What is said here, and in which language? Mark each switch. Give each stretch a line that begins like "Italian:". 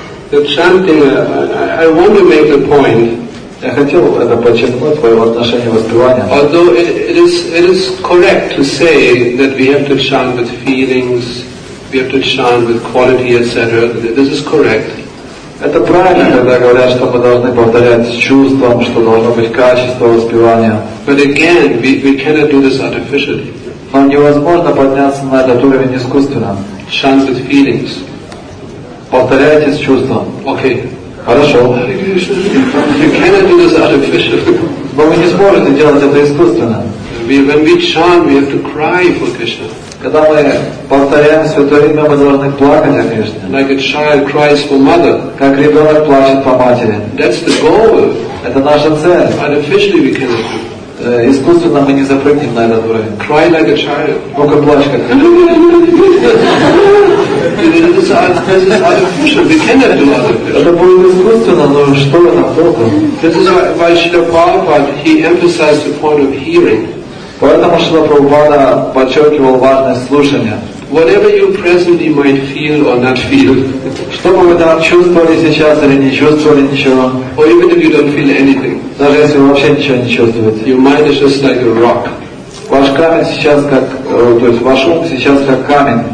English: The chanting, I want to make the point.
Russian: Я хотел это подчеркнуть, твое отношение воспевания.
English: Although it is correct to say that we have to chant with feelings, we have to chant with quality, etc. This is correct.
Russian: Это правильно, когда говорят, что мы должны повторять с чувством, что должно быть качество воспевания.
English: But again, we cannot do this artificially.
Russian: Но невозможно подняться на этот уровень искусственно.
English: Chant with feelings.
Russian: Повторяйте с чувством.
English: Okay.
Russian: Хорошо.
English: You cannot do this artificially.
Russian: Но вы не сможете делать это искусственно.
English: When we chant, we have to cry for Krishna.
Russian: Когда мы повторяем святое имя, мы должны плакать о Кришне.
English: Like a child cries for mother.
Russian: Как ребенок плачет по матери.
English: That's the goal.
Russian: Это наша цель.
English: Officially we cannot.
Russian: Искусственно мы не запрыгнем на этот уровень.
English: Cry like a child.
Russian: Только плачь как. Это будет искусственно, но что это толком?
English: This is why Srila Prabhupada, he emphasized the point of hearing.
Russian: Поэтому Шрила Прабхупада подчеркивал важность слушания.
English: Whatever you presently might feel or not feel.
Russian: Что бы вы там чувствовали сейчас или не чувствовали ничего.
English: Or even if you don't feel anything.
Russian: Даже если вы вообще ничего не чувствуете.
English: Your mind is just like a rock.
Russian: Ваш камень сейчас как, то есть ваш ум сейчас как камень.